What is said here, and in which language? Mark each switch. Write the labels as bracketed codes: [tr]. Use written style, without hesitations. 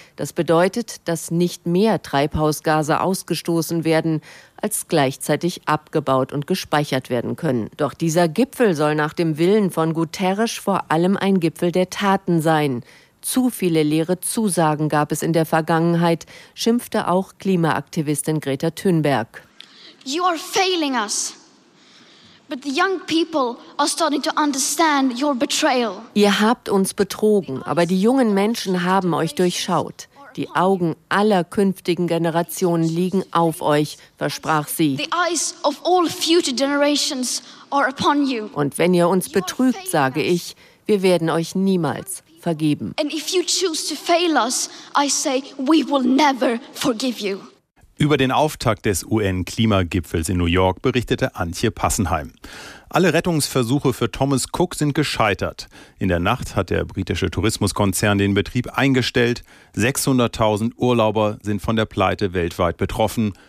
[de] Das bedeutet, dass nicht mehr Treibhausgase ausgestoßen werden, als gleichzeitig abgebaut und gespeichert werden können. Doch dieser Gipfel soll nach dem Willen von Guterres vor allem ein Gipfel der Taten sein. Zu viele leere Zusagen gab es in der Vergangenheit, schimpfte auch Klimaaktivistin Greta Thunberg. [en] You are failing us. But the young people are starting to understand your betrayal. [de] Ihr habt uns betrogen, aber die jungen Menschen haben euch durchschaut. Die Augen aller künftigen Generationen liegen auf euch, versprach sie. [en] The eyes of all future generations are upon you. [de] Und wenn ihr uns betrügt, sage ich, wir werden euch niemals vergeben. [en] And if you choose to fail us, I say, we will never forgive you. [de] Über den Auftakt des UN-Klimagipfels in New York berichtete Antje Passenheim. Alle Rettungsversuche für Thomas Cook sind gescheitert. In der Nacht hat der britische Tourismuskonzern den Betrieb eingestellt. 600.000 Urlauber sind von der Pleite weltweit betroffen.